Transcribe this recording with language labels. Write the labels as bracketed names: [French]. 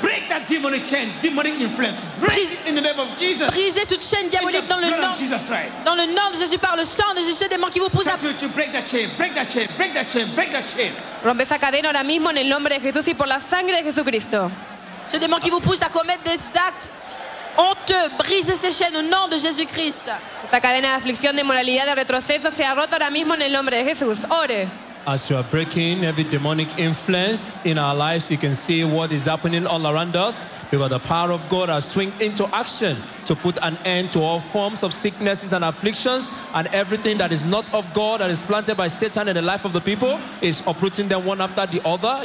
[English] Break that demonic chain, demonic influence. Break it in the name of Jesus. [French] Brisez toute chaîne diabolique dans le nom de Jesus Christ. Dans le nom de Jésus par le sang de Jésus, démon qui vous pousse à. [English] Break that chain. [Spanish] Rompe esa cadena ahora mismo en el nombre de Jesús y por la sangre de Jesucristo. [French] Ce démon qui vous pousse à commettre des actes. Honteux, brise ces chaînes au nom de Jésus-Christ. [Spanish] Esa cadena de aflicción, de moralidad, de retroceso se ha roto ahora mismo en el nombre de Jesús. Ore. [English] As we are breaking every demonic influence in our lives, you can see what is happening all around us because the power of God has swung into action to put an end to all forms of sicknesses and afflictions, and everything that is not of God that is planted by Satan in the life of the people is uprooting them one after the other.